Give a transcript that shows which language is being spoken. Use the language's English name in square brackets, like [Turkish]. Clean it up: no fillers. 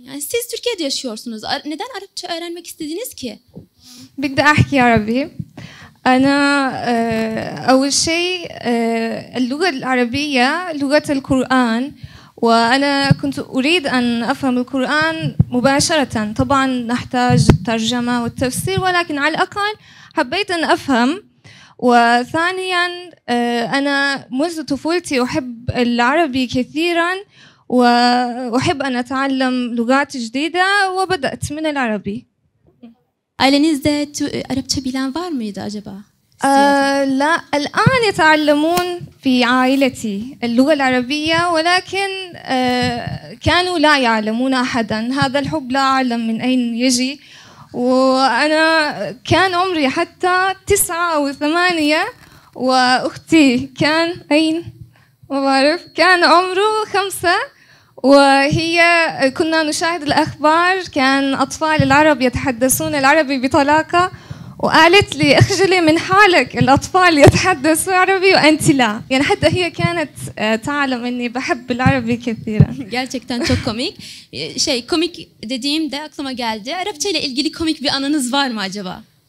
[Turkish] Yani siz Türkiye'de yaşıyorsunuz. Neden Arapça öğrenmek istediniz ki? [Arabic] بدي أحكي عربي. أنا أول شيء اللغة العربية لغة القرآن، وأنا كنت أريد أن أفهم القرآن مباشرة. طبعا نحتاج الترجمة والتفسير، ولكن على الأقل حبيت أن أفهم. وثانيا أنا منذ طفولتي أحب العربي كثيرا وأحب أن أتعلم لغات جديدة، وبدأت من العربي. [Turkish] Ailenizde Arapça bilen var mıydı acaba? [Arabic] La, الآن يتعلمون في عائلتي اللغة العربية، ولكن كانوا لا يعلمون أحدا. هذا الحب لا أعلم من أين يجي، وأنا كان عمري حتى 9 أو 8، وأختي كان أين ما بعرف كان عمره 5، وهي كنا نشاهد الأخبار، كان أطفال العرب يتحدثون العربي بطلاقة، وقالت لي اخجلي من حالك، الأطفال يتحدثون عربي وأنت لا. يعني حتى هي كانت تعلم أني بحب العربي كثيرا. [Turkish] Gerçekten çok komik. Şey komik dediğimde aklıma geldi. Arapça ile ilgili komik bir anınız var mı acaba?